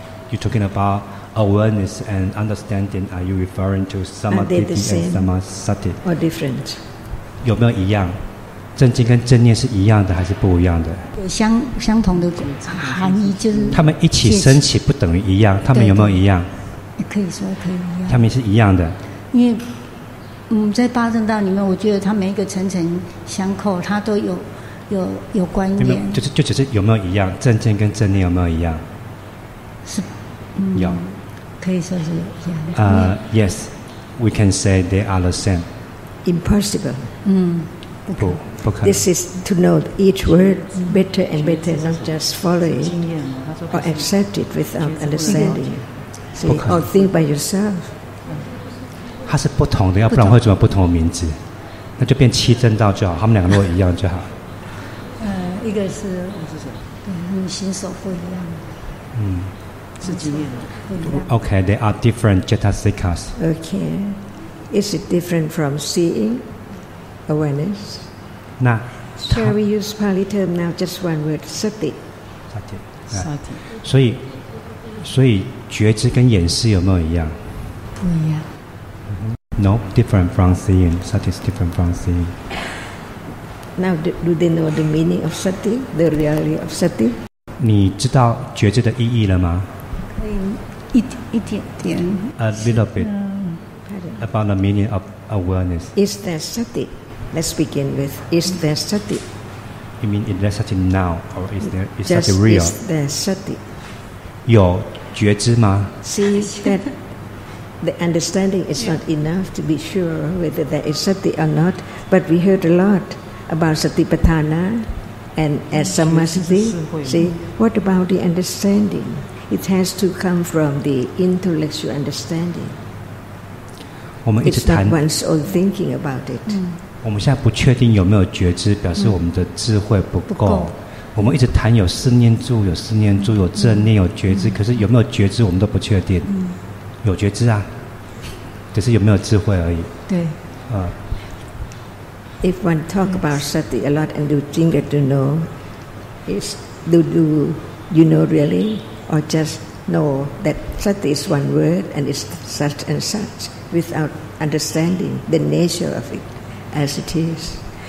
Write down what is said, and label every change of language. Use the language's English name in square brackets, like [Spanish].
[English] You're talking about awareness and understanding, are you referring to samadhi and samasati? Or different? [Chinese] 有没有一样？正见跟正念是一样的还是不一样的？有 相同的含义，就是他们一起升起不等于一样，他们有没有一样？可以说可以一样。他们是一样的。因为在八正道里面，我觉得它每一个层层相扣，它都有关联。就只是有没有一样？正见跟正念有没有一样？是。有，可以说是有压力。 [English] Yes, we can say they are the same. Impossible. [Chinese] 不，不可能。 [English] This is to know each word better and better, not just follow it or accept it without understanding. See, or think by yourself. [Chinese] 它是不同的，要不然会怎么不同的名字？那就变七正道就好，他们两个如果一样就好。一个是对，行手不一样。是经验的。 [English] Okay, they are different jetasikas. Okay, is it different from seeing awareness? 那 shall we use Pali term now? Just one word, sati. Sati. Sati. [Chinese] 所以觉知跟眼识有没有一样？不一样。 [English] No, different from seeing. Sati is different from seeing. Now, do they know the meaning of sati? The reality of sati? [Chinese] 你知道觉知的意义了吗？可以。一点点 [English] A little bit about the meaning of awareness. Is there sati? Let's begin with, is there sati? You mean, is there sati now? Or is there is sati real? Is there sati? [Chinese] 有觉知吗？ [English] See that the understanding is not enough to be sure whether there is sati or not. But we heard a lot about satipatthana and as samasati. See, what about the understanding? It has to come from the intellectual understanding. It's not one's own thinking about it. [Chinese] 我们现在不确定有没有觉知，表示我们的智慧不够。我们一直谈有四念住，有四念住，有正念，有觉知，可是有没有觉知，我们都不确定。有觉知啊，只是有没有智慧而已。对。 [English] If one talk about sati a lot and do think to know, is do you know really? Or just know that sati is one word and it's such and such without understanding the nature of it as it is.